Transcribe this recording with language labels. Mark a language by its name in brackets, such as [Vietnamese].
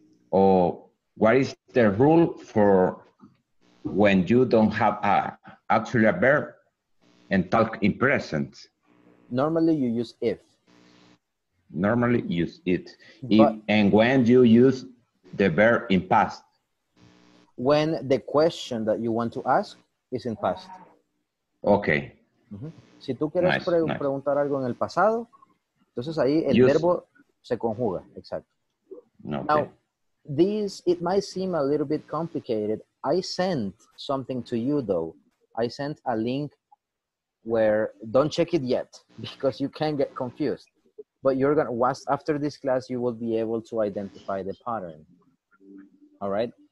[English] Or what is the rule for when you don't have a auxiliary verb and talk in present? Normally you use if. Normally use it. And when you use the verb in past? When the question that you want to ask is in past. Okay. Mm-hmm. [Spanish] Si tú quieres preguntar algo en el pasado, entonces ahí el verbo se conjuga. Exacto. [English] Okay. Now, this, it might seem a little bit complicated. I sent something to you though. I sent a link where, don't check it yet, because you can get confused. But you're gonna, once, after this class, you will be able to identify the pattern. All right?